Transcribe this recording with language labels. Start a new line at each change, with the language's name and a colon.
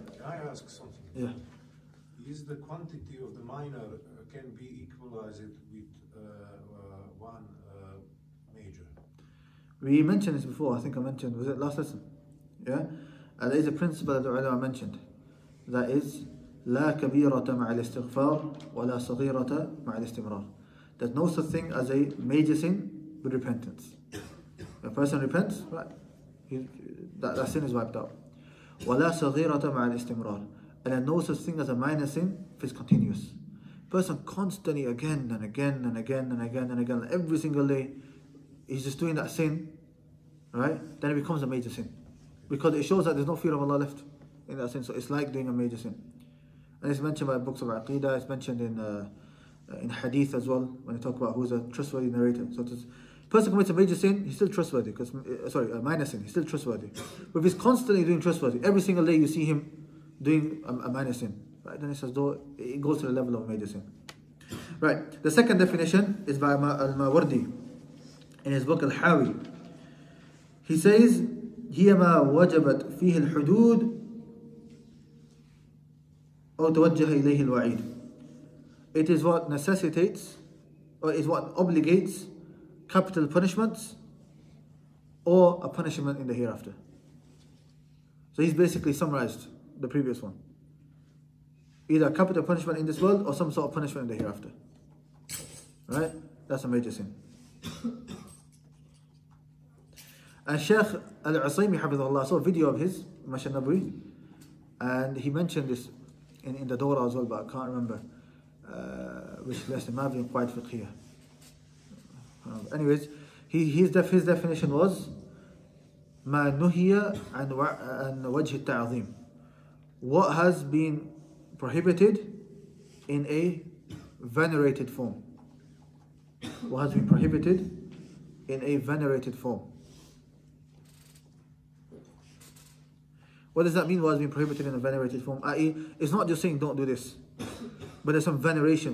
English: Can I ask something? Yeah. Is the quantity of the minor can be equalized with one major? We mentioned this before. I think I mentioned, was it last lesson? Yeah. There is a principle that the ulama mentioned. That is,
Arabic: لا كبيرة مع الاستغفار ولا صغيرة مع الاستمرار.
English: There's no such thing as a major sin with repentance. A person repents, right? That sin is wiped out.
Arabic: ولا صغيرة مع الاستمرار.
English: and there's no such thing as a minor sin if it's continuous. Person constantly again and again and again and again and again, every single day, he's just doing that sin, right? Then it becomes a major sin. Because it shows that there's no fear of Allah left in that sin. So it's like doing a major sin. And it's mentioned by books of Aqidah, it's mentioned in Hadith as well, when they talk about who's a trustworthy narrator. So the person commits a major sin, he's still trustworthy. A minor sin, he's still trustworthy. But if he's constantly doing trustworthy, every single day you see him doing a minor sin, right? Then it's as though it goes to the level of a major sin. Right, the second definition is by Al-Mawardi in his book Al-Hawi. He says,
Arabic: هي ما وجبت فيه الحدود أو توجه إليه الوعيد.
English: It is what necessitates, or is what obligates, capital punishments, or a punishment in the hereafter. So he's basically summarized the previous one. Either capital punishment in this world, or some sort of punishment in the hereafter. Right? That's a major sin. And Shaykh Al-Usaymi, Hafizahullah, saw a video of his, Masha Nabawi, and he mentioned this in the Dora as well, but I can't remember. Which less than Mavi, quite fiqhiya. Anyways, his definition was,
Arabic: مَا نُهِيَ عَنْ وَجْهِ التَّعَظِيمِ.
English: What has been prohibited in a venerated form? What has been prohibited in a venerated form? What does that mean, what has been prohibited in a venerated form? I.e., it's not just saying don't do this, but there's some veneration.